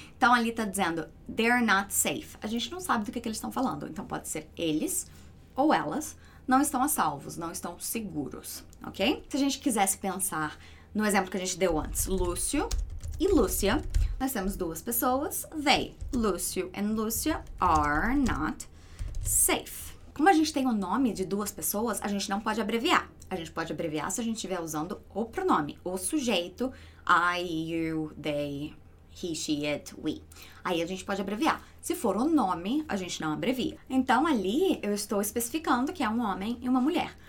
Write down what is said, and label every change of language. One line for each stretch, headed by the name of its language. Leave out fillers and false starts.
Portuguese: Então ali está dizendo
English: they're not safe.
Portuguese: A gente não sabe do que eles estão falando, então pode ser eles ou elas não estão a salvos, não estão seguros, ok? Se a gente quisesse pensar no exemplo que a gente deu antes, Lúcio e Lúcia, nós temos duas pessoas.
English: They, Lúcio and Lúcia, are not safe.
Portuguese: Como a gente tem o nome de duas pessoas, a gente não pode abreviar. A gente pode abreviar se a gente estiver usando o pronome, o sujeito, I, you, they, he, she, it, we. Aí a gente pode abreviar. Se for o nome, a gente não abrevia. Então ali eu estou especificando que é um homem e uma mulher.